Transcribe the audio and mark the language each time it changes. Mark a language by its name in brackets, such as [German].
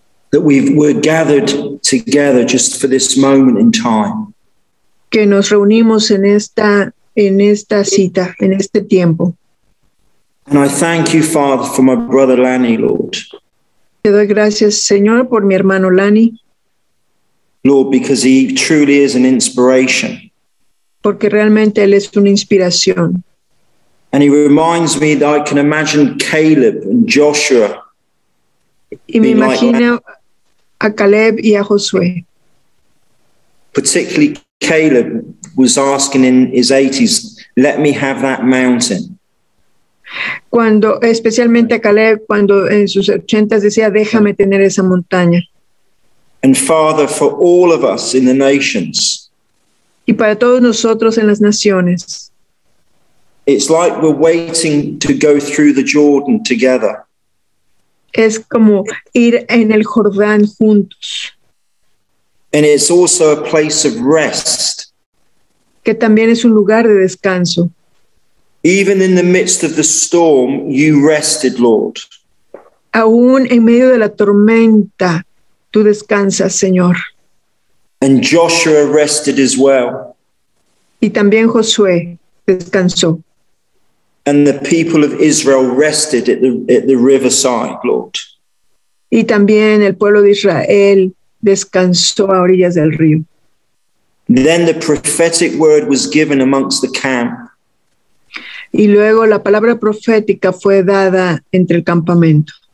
[English] That we're gathered together just for this moment in time. [Spanish] Que nos reunimos en esta cita, en este tiempo. [English] And I thank you, Father, for my brother Lanny, Lord. [Spanish] Te doy gracias, Señor, por mi hermano Lanny. [English] Lord, because he truly is an inspiration. [Spanish] Porque realmente él es una inspiración. [English] And he reminds me that I can imagine Caleb and Joshua. [Spanish] Y me imagino a Caleb y a Josué. [English] Particularly Caleb was asking in his 80s, let me have that mountain. [Spanish] Cuando, especialmente a Caleb, cuando en sus 80s decía, déjame tener esa montaña. [English] And Father, for all of us in the nations. [Spanish] Y para todos nosotros en las naciones. [English] It's like we're waiting to go through the Jordan together. [Spanish] Es como ir en el Jordán juntos. [English] And it's also a place of rest. [Spanish] Que también es un lugar de descanso. [English] Even in the midst of the storm, you rested, Lord. [Spanish] Aún en medio de la tormenta, tú descansas, Señor. [English] And Joshua rested as well. [Spanish] Y también Josué descansó. [English] And the people of Israel rested at the riverside, Lord. [Spanish] Y también el pueblo de Israel descansó a orillas del río. [English] Then the prophetic word was given amongst the camp. [Spanish] Y luego la palabra profética fue dada entre el campamento.